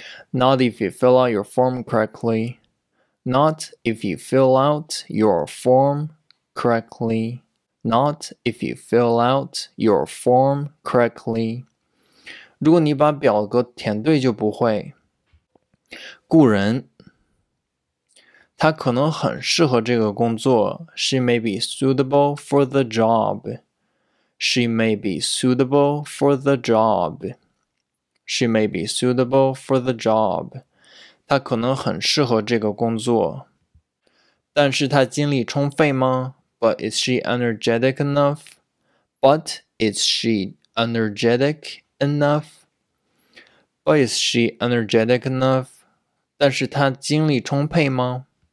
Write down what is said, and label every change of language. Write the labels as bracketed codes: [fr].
[en] Not if you fill out your form correctly. Not if you fill out your form correctly. Not if you fill out your form correctly. [zh] 如果你把表格填对就不会。雇人，他可能很适合这个工作。 [en] She may be suitable for the job. She may be suitable for the job. She may be suitable for the job. [zh] 他可能很适合这个工作。但是他精力充沛吗？ [en] But is she energetic enough? But is she energetic enough? But is she energetic enough? [zh] 但是他精力充沛吗？